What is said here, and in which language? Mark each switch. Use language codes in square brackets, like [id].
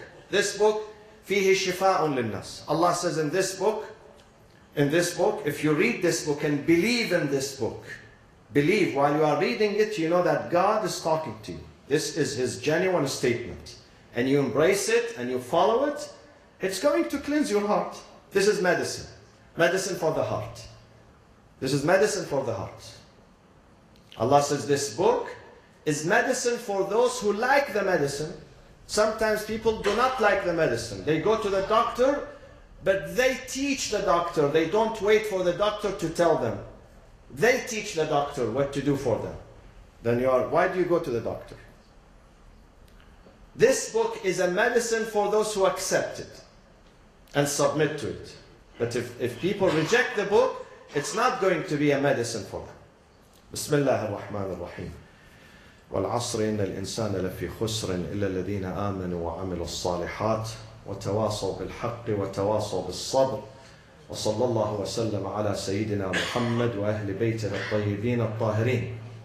[en] This book, [ar] فيه شفاء للناس. [en] Allah says in this book, if you read this book and believe in this book, believe while you are reading it, you know that God is talking to you. This is His genuine statement. And you embrace it and you follow it, it's going to cleanse your heart. This is medicine. Medicine for the heart. This is medicine for the heart. Allah says this book is medicine for those who like the medicine. Sometimes people do not like the medicine. They go to the doctor, but they teach the doctor. They don't wait for the doctor to tell them. They teach the doctor what to do for them. Then you are, why do you go to the doctor? This book is a medicine for those who accept it and submit to it. But if people reject the book, it's not going to be a medicine for them. Bismillah ar-Rahman ar-Rahim. [ar] والعصر إن الإنسان لفي خسر إلا الذين آمنوا وعملوا الصالحات وتواصوا بالحق وتواصوا بالصبر وصلى الله وسلم على سيدنا محمد وأهل بيته الطيبين الطاهرين